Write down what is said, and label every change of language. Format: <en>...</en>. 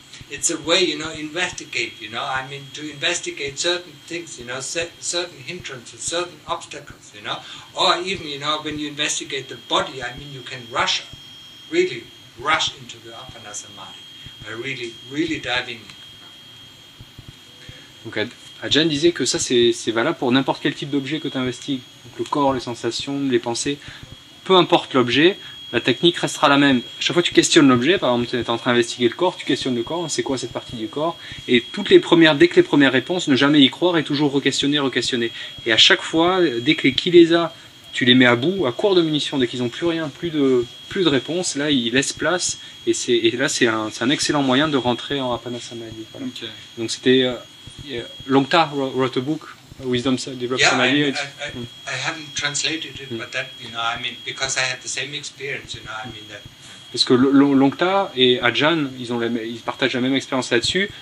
<en>It's a way, you know, investigate, you know, I mean, to investigate certain things, you know, certain hindrances, certain obstacles, you know, or even, you know, when you investigate the body, I mean, you can rush, really rush into the apana samadhi by really, really diving in.</en> <fr>Donc, Ajahn disait que ça, c'est valable pour n'importe quel type d'objet que tu investigues, donc le corps, les sensations, les pensées, peu importe l'objet. La technique restera la même. Chaque fois que tu questionnes l'objet, par exemple, tu es en train d'investiguer le corps, tu questionnes le corps, c'est quoi cette partie du corps? Et toutes les premières, dès que les premières réponses, ne jamais y croire et toujours re-questionner. Et à chaque fois, dès que les kilesas, tu les mets à bout, à court de munitions, dès qu'ils n'ont plus rien, plus de réponses, là, ils laissent place. Et là, c'est un excellent moyen de rentrer en apana samadhi. Voilà.</fr> <en>Okay.</en> <fr>Donc c'était</fr> <en>Longta wrote a book wisdom develops samadhi. I haven't translated it, but that, you know, I mean, because I had the same experience, you know, I mean that.</en> <fr>Parce que Longta et Ajahn, ils partagent la même expérience là-dessus.</fr>